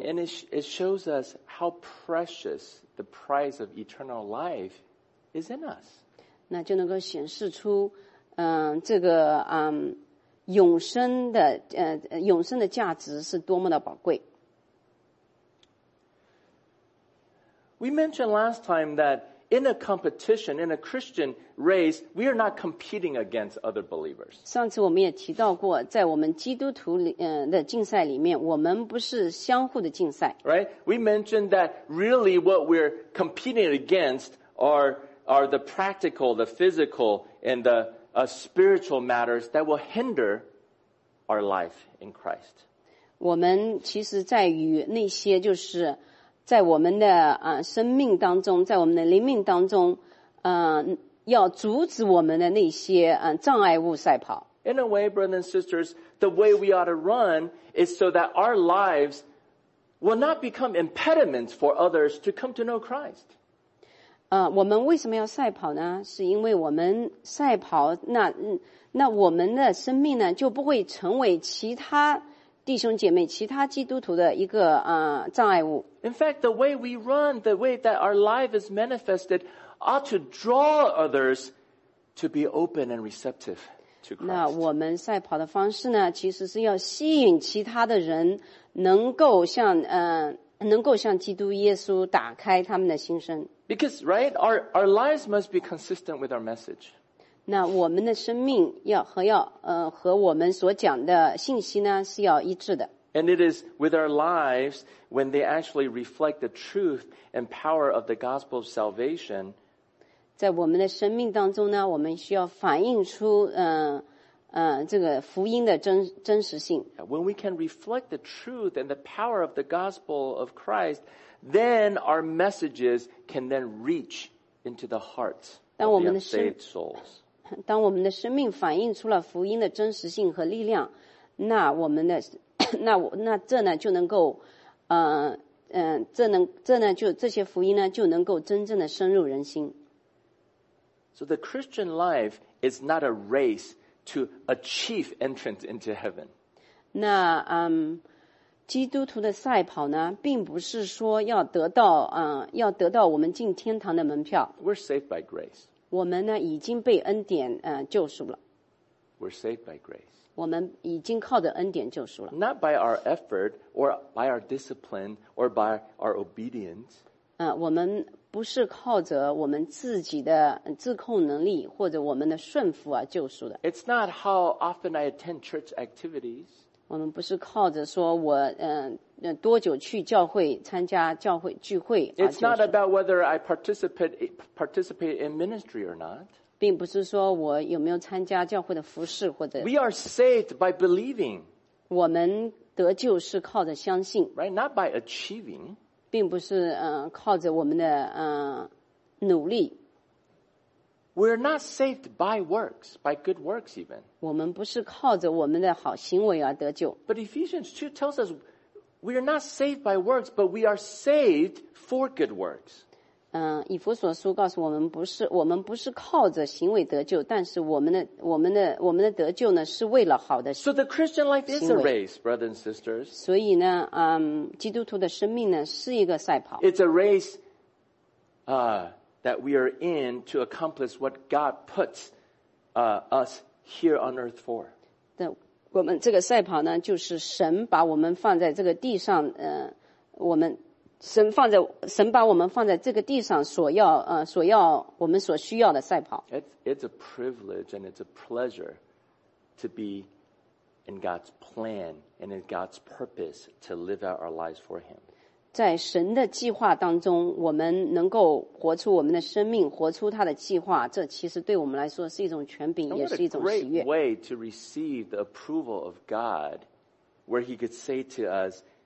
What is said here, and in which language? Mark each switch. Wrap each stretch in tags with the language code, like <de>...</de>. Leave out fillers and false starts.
<en>And it shows us how precious the prize of eternal life is in us.</en> <zh>那就能够显示出这个永生的价值是多么的宝贵。</zh> <en>We mentioned last time that in a competition, in a Christian race, we are not competing against other believers.</en> <zh>上次我们也提到过，在我们基督徒的竞赛里面，我们不是相互的竞赛。</zh> <en>Right? We mentioned that really what we're competing against are the practical, the physical, and the spiritual matters that will hinder our life in Christ.</en> <zh>我们其实在于那些就是在我们的生命当中，在我们的灵命当中，要阻止我们的那些障碍物赛跑。</zh> <en>In a way, brothers and sisters, the way we ought to run is so that our lives will not become impediments for others to come to know Christ.</en> <zh>我们为什么要赛跑呢？是因为我们赛跑，那我们的生命呢，就不会成为其他弟兄姐妹、其他基督徒的一个障碍物。</zh> <en>In fact, the way we run, the way that our life is manifested, ought to draw others to be open and receptive to Christ.</en> <zh>那我们赛跑的方式呢，其实是要吸引其他的人能够向能够向基督耶稣打开他们的心声。</zh> <en>Because right, our lives must be consistent with our message.</en> <zh>那我们的生命和我们所讲的信息呢是要一致的。</zh> <en>And it is with our lives when they actually reflect the truth and power of the gospel of salvation.</en> <zh>在我们的生命当中呢，我们需要反映出这个福音的真实性。</zh> <en>When we can reflect the truth and the power of the gospel of Christ, then our messages can then reach into the hearts of the unsaved souls.</en> <zh>当我们的生命反映出了福音的真实性和力量，那我们的那这呢就能够这些福音呢就能够真正的深入人心。</zh> <en>So the Christian life is not a race to achieve entrance into heaven.</en> <zh>那基督徒的赛跑呢并不是说要得到要得到我们进天堂的门票。</zh> <en>We're saved by grace.</en> <zh>我们呢已经被恩典救赎了。</zh> <en>We're saved by grace.</en> <zh>我们已经靠着恩典救赎了。</zh> <en>Not by our effort or by our discipline or by our obedience.</en> <zh>我们不是靠着我们自己的自控能力或者我们的顺服而救赎的。</zh> <en>It's not how often I attend church activities.</en> <zh>我们不是靠着说我多久去教会参加教会聚会而救赎的。</zh> <en>It's not about whether I participate in ministry or not.</en> <zh>并不是说我有没有参加教会的服事或者。</zh> <en>We are saved by believing.</en> <zh>我们得救是靠着相信。</zh> <en>Right, not by achieving.</en> <zh>并不是靠着我们的努力。</zh> <en>We're not saved by works, by good works even.</en> <zh>我们不是靠着我们的好行为而得救。</zh> <en>But Ephesians 2 tells us we are not saved by works, but we are saved for good works.</en> <zh>以弗所书告诉我们不是靠着行为得救，但是我们的得救呢是为了好的行</zh> <en>为。So the Christian life is a race, brothers and sisters.</en> <zh>所以呢基督徒的生命呢是一个赛跑。</zh> <en>It's a race, that we are in to accomplish what God puts, us here on earth for.</en> <zh>我们这个赛跑呢就是神把我们放在这个地上我们神把我们放在这个地上所要我们所需要的赛跑。</zh> <en>It's a privilege and it's a pleasure to be in God's plan and in God's purpose to live out our lives for Him.</en> <zh>在神的计划当中，我们能够活出我们的生命，活出他的计划，这其实对我们来说是一种权柄，也是一种喜悦。</zh> <en>What a great way to receive the approval of God, where He could say to us.</en>